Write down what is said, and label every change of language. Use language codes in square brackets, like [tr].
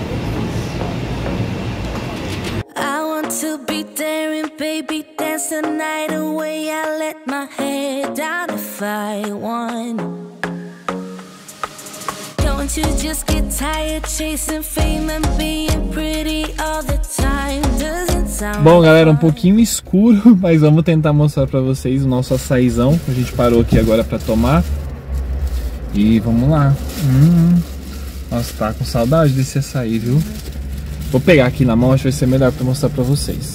[pt] Porque dizem que é um bom tipo de hidratante. [en] I want to be there and baby dance the night away. I let my head down if I want. Don't you just get tired chasing fame and being pretty all the time? [pt] Bom, galera, um pouquinho escuro, mas vamos tentar mostrar pra vocês o nosso açaizão. A gente parou aqui agora pra tomar. E vamos lá. Nossa, tá com saudade desse açaí, viu? Vou pegar aqui na mão, acho que vai ser melhor pra mostrar pra vocês.